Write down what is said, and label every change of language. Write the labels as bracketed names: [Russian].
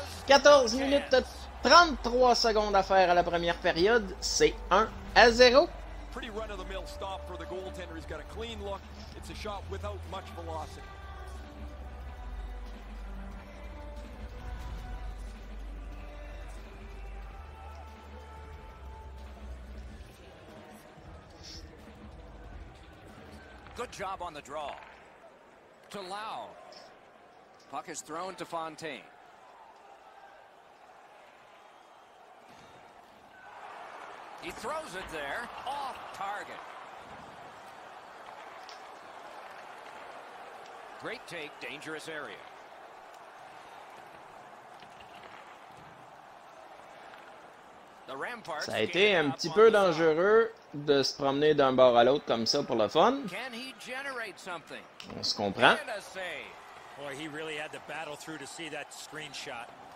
[French] 14 minutes 33 secondes à faire à la première période. C'est 1 à 0. [English] Pretty run-of-the-mill stop for the goaltender. He's got a clean look. It's a shot without much velocity. Good job on the draw. To Lau. Puck is thrown to Fontaine. He throws it there, off target. Great take, dangerous area. The Ramparts. [French] Ça a été un petit peu dangereux de se promener d'un bord à l'autre comme ça pour le fun. [English] Can he generate something? [French] On se comprend. [English] Boy, he really had to battle through to see that screenshot.